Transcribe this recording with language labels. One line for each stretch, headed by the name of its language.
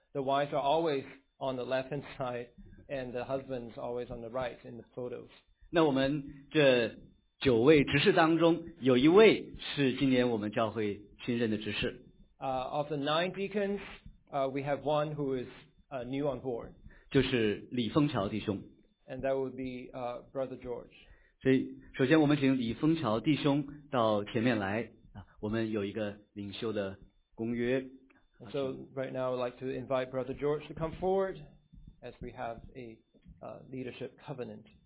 English: The wives are always on the left-hand side, and the husbands always on the right in the photos.
Chinese: 那我们这九位执事当中，有一位是今年我们教会新任的执事。
English: Of the nine deacons, we have one who is new on board.
Chinese: 就是李丰桥弟兄。
English: And that would be Brother George.
Chinese: 所以，首先我们请李丰桥弟兄到前面来。我们有一个领袖的公约。
English: So right now, I'd like to invite Brother George to come forward as we have a leadership covenant.